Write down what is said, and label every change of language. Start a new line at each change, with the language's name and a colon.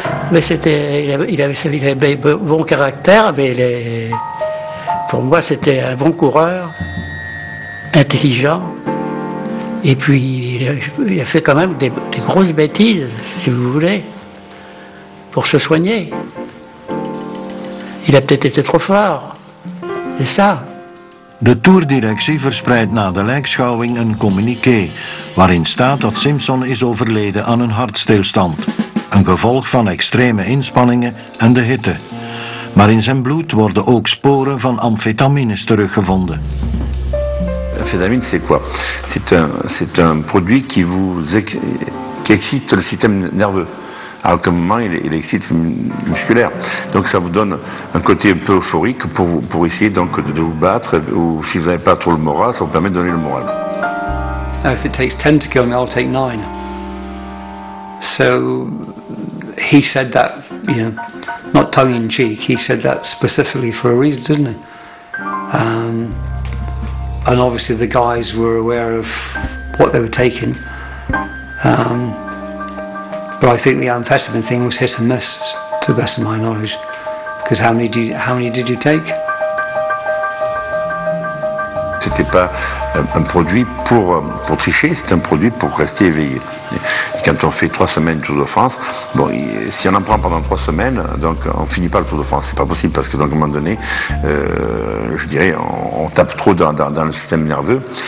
French: Mais c'était, il avait bon caractère, mais pour moi c'était un bon coureur, intelligent, et puis il a fait quand même des grosses bêtises, si vous voulez, pour se soigner. Il a peut-être été trop fort, c'est ça.
Dutch: De toerdirectie verspreidt na de lijkschouwing een communiqué, waarin staat dat Simpson is overleden aan een hartstilstand. Een gevolg van extreme inspanningen en de hitte. Maar in zijn bloed worden ook sporen van amfetamines teruggevonden.
French: Amfetamine, c'est quoi? C'est un produit qui excite le système nerveux. À aucun moment, il excite musculaire. Donc, ça vous donne un côté un peu euphorique pour essayer donc de vous battre. Ou si vous n'avez pas trop le moral, ça vous permet de donner le moral.
English: If it takes 10 to kill me, I'll take 9. So he said that, you know, not tongue in cheek, he said that specifically for a reason, didn't he? And obviously the guys were aware of what they were taking. But I think the amphetamine thing was hit and miss, to the best of my knowledge. Because how many did you take?
French: C'était pas un produit pour tricher, c'était un produit pour rester éveillé. Et quand on fait 3 semaines du Tour de France, bon, si on en prend pendant 3 semaines, donc on ne finit pas le Tour de France. C'est pas possible parce que donc à un moment donné, je dirais, on tape trop dans le système nerveux.